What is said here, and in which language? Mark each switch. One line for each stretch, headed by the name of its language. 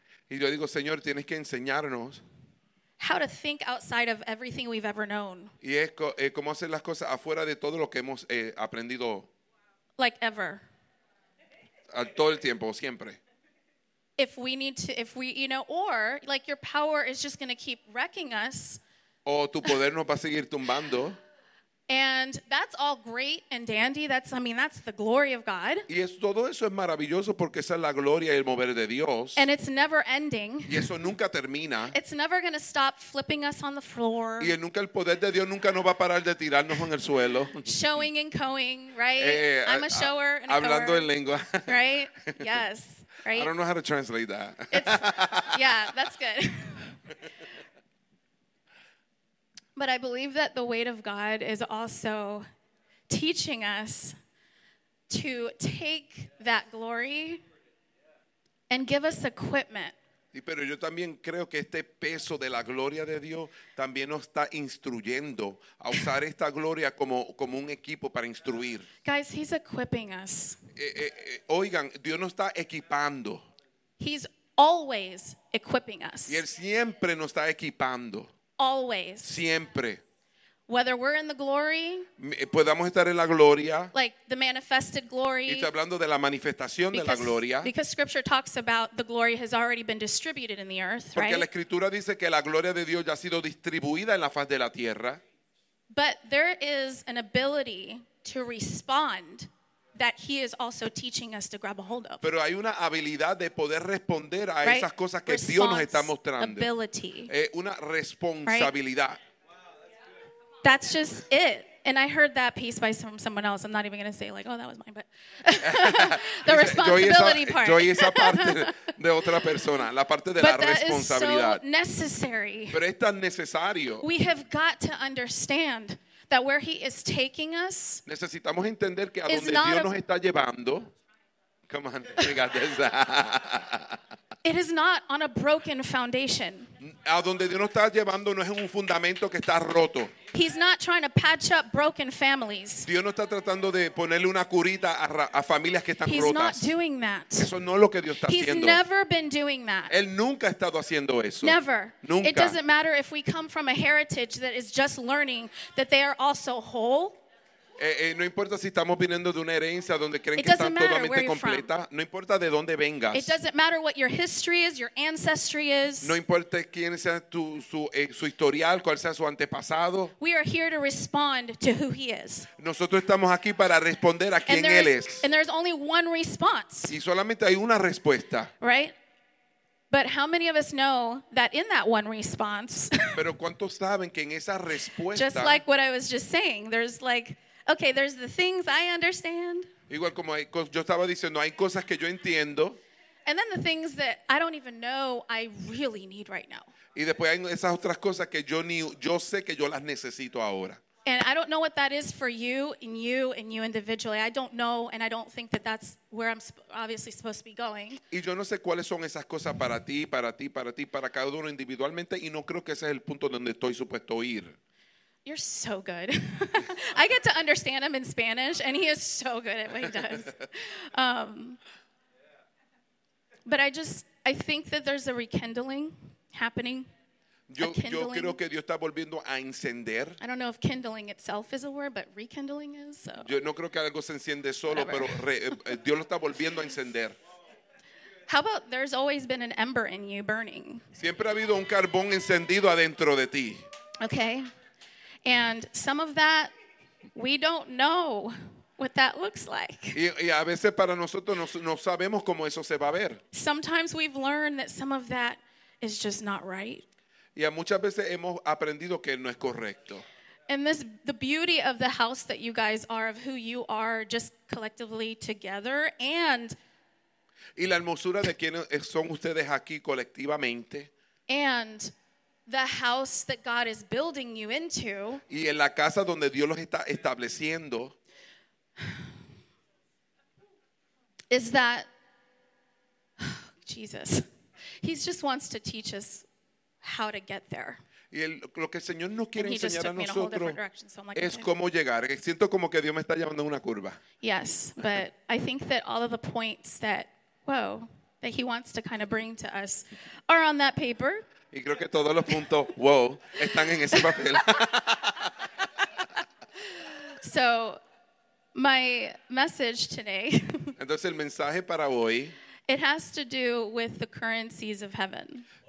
Spanish: Y yo digo, Señor, tienes que enseñarnos.
English: How to think outside of everything we've ever known.
Spanish: Y es cómo hacer las cosas afuera de todo lo que hemos aprendido.
English: Like ever.
Spanish: Todo el tiempo, siempre.
English: If we need to, or like your power is just going to keep wrecking us.
Spanish: O tu poder nos va a seguir tumbando.
English: And that's all great and dandy. That's the glory of God.
Spanish: Y es, todo eso es maravilloso porque esa es la gloria y el mover de Dios.
English: And it's never ending.
Spanish: Y eso nunca termina.
English: It's never going to stop flipping us on the floor.
Spanish: Y el poder de Dios nunca nos va a parar de tirarnos en el suelo.
English: Showing and co-ing, right? I'm a shower and a
Spanish: hablando
English: coer,
Spanish: en lengua.
English: Right? Yes. Right? I don't know how to translate that. Yeah, that's good. But I believe that the weight of God is also teaching us to take that glory and give us equipment.
Spanish: Y pero yo también creo que este peso de la gloria de Dios también nos está instruyendo a usar esta gloria como un equipo para instruir.
English: Guys, he's equipping us.
Spanish: Oigan, Dios nos está equipando.
English: He's always equipping us.
Spanish: Y él siempre nos está equipando.
English: Always.
Spanish: Siempre.
English: Whether we're in the glory.
Spanish: Podamos estar en la gloria.
English: Like the manifested glory.
Spanish: Y estoy hablando de la manifestación de la gloria.
English: Because scripture talks about the glory has already been distributed in the earth,
Spanish: porque
English: right?
Spanish: Porque la escritura dice que la gloria de Dios ya ha sido distribuida en la faz de la tierra.
English: But there is an ability to respond that he is also teaching us to grab a hold of.
Spanish: Pero hay una habilidad de poder responder a esas cosas que
English: response,
Spanish: Dios nos está mostrando.
English: Ability.
Spanish: Una responsabilidad.
English: Right? That's just it. And I heard that piece by someone else. I'm not even going to say like, oh, that was mine. But the responsibility part.
Spanish: Yo oí esa parte de otra persona. La parte de
English: but
Spanish: la responsabilidad.
English: But that is so necessary.
Spanish: Pero es tan necesario.
English: We have got to understand that where he is taking us,
Spanish: necesitamos entender que a donde Dios nos está llevando,
English: come on, we got this. It is not on a broken foundation.
Spanish: A donde Dios nos está llevando no es un fundamento que está roto.
English: He's not trying to patch up broken families.
Spanish: Dios no está tratando de ponerle una curita a familias que están
English: He's
Spanish: rotas.
English: He's not doing that.
Spanish: Eso no es lo que Dios está
English: He's
Spanish: haciendo.
English: He's never been doing that.
Spanish: Él nunca ha estado haciendo eso.
English: Never.
Spanish: Nunca.
English: It doesn't matter if we come from a heritage that is just learning that they are also whole.
Spanish: No importa si estamos viniendo de una herencia donde creen que están totalmente completa. No importa de dónde vengas.
English: It doesn't matter what your history is, your ancestry is.
Spanish: No importa quién sea su historial, cuál sea su antepasado.
English: We are here to respond to who he is.
Spanish: Nosotros estamos aquí para responder a quién él es.
English: And there's only one response.
Spanish: Y solamente hay una respuesta.
English: Right? But how many of us know that in that one response?
Spanish: Pero ¿cuántos saben que en esa respuesta?
English: Just like what I was just saying, there's like, okay, there's the things I understand.
Spanish: Igual como yo estaba diciendo, hay cosas que yo entiendo.
English: And then the things that I don't even know I really need right now.
Spanish: Y después hay esas otras cosas que yo sé que yo las necesito ahora.
English: And I don't know what that is for you individually. I don't know, and I don't think that that's where I'm obviously supposed to be going.
Spanish: Y yo no sé cuáles son esas cosas para ti, para cada uno individualmente, y no creo que ese es el punto donde estoy supuesto ir.
English: You're so good. I get to understand him in Spanish, and he is so good at what he does. But I think that there's a rekindling happening.
Spanish: Yo creo que Dios está volviendo a encender.
English: I don't know if kindling itself is a word, but rekindling is. So.
Spanish: Yo no creo que algo se enciende solo, pero Dios lo está volviendo a encender.
English: How about there's always been an ember in you burning?
Spanish: Siempre ha habido un carbón encendido adentro de ti.
English: Okay. And some of that, we don't know. what that looks like.
Spanish: Y a veces para nosotros no sabemos cómo eso se va a ver.
English: Sometimes we've learned that some of that is just not right.
Spanish: Y a muchas veces hemos aprendido que no es correcto.
English: And this, the beauty of the house that you guys are, of who you are, just collectively together, and.
Spanish: Y la hermosura de quienes son ustedes aquí colectivamente.
English: And the house that God is building you into.
Spanish: Y en la casa donde Dios los está estableciendo.
English: Is that Jesus? He just wants to teach us how to get there.
Spanish: Y lo que el Señor nos quiere enseñar a nosotros es cómo llegar. Siento como que Dios me está llevando en una curva.
English: Yes, but I think that all of the points that, whoa, that he wants to kind of bring to us are on that paper.
Spanish: Y creo que todos los puntos, whoa, están en ese papel.
English: So, my message today.
Spanish: Entonces el mensaje para hoy.
English: It has to do with the currencies of heaven.